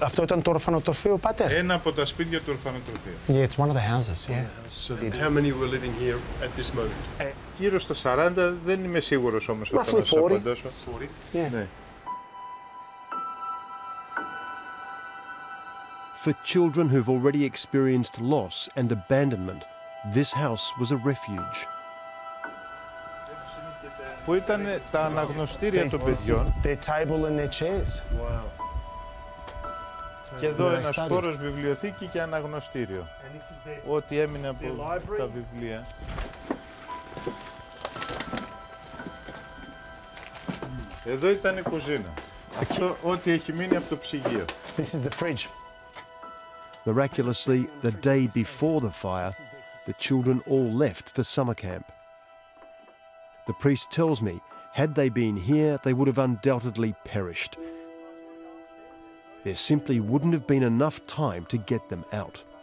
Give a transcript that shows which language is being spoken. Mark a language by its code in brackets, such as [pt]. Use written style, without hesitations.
[el] Αυτό ήταν το ορφανοτροφείο, πάτερ. Ένα από τα σπίτια του ορφανοτροφείου. [en] Yeah, it's one of the houses, yeah. So how many were living here at this moment? [el] Γύρω στα 40, δεν είμαι σίγουρος όμως. [en] Roughly 40. 40. Yeah. For children who've already experienced loss and abandonment, this house was a refuge. [el] Πού ήταν τα αναγνωστήρια των παιδιών. [en] Their table and their chairs. Wow. [el] Και εδώ ένας χώρος βιβλιοθήκη και αναγνωστήριο. Ό,τι έμεινε από τα βιβλία. Εδώ ήταν η κουζίνα. Αυτό ό,τι έχει μείνει από το ψυγείο. [en] This is the fridge. Miraculously, the day before the fire, the children all left for summer camp. The priest tells me, had they been here, they would have undoubtedly perished. There simply wouldn't have been enough time to get them out.